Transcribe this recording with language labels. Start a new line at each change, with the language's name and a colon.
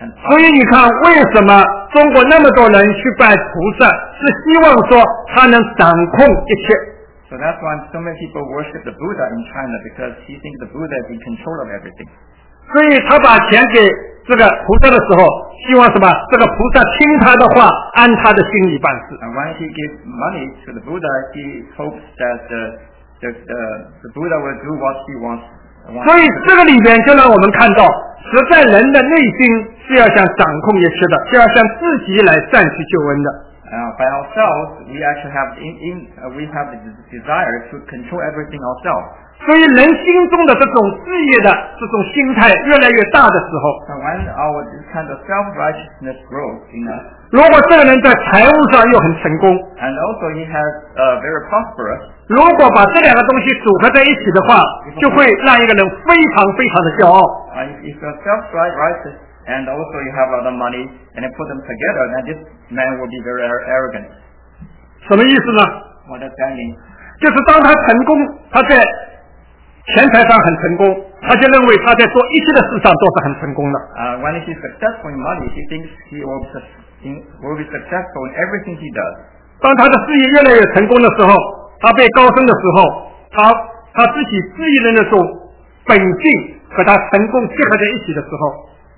Chinese: 所以你看，为什么中国那么多人去拜菩萨，是希望说他能掌控一切。
English: So that's why so many people worship the Buddha in China because he thinks the Buddha is in control of everything.
Chinese: 所以他把钱给这个菩萨的时候，希望什么？这个菩萨听他的话，按他的心意办事。
English: And when he gives money to the Buddha, he hopes that the Buddha will do what he wants.
Chinese: 所以这个里面就让我们看到，实在人的内心是要想掌控一切的，是要想自己来占取救恩的。
English: By ourselves, we actually have we have the desire to control everything ourselves.
Chinese: 所以人心中的这种自业的这种心态越来越大的时候，
English: when our kind of self-righteousness grows in us,
Chinese: 如果这个人在财务上又很成功，
English: and also he has very prosperous,
Chinese: 如果把这两个东西组合在一起的话，就会让一个人非常非常的骄傲。
English: If you're self-righteous and also you have a lot of money and you put them together, then thisMan will be very arrogant.
Chinese: 什么意思呢？我的概念就是当他成功，他在钱财上很成功，他就认为他在做一切的事上都是很成功的。
English: When he is successful in money, he thinks he will be successful in everything he does.
Chinese: 当他的事业越来越成功的时候，他被高升的时候，他自己自意的那种本性和他成功结合在一起的时候。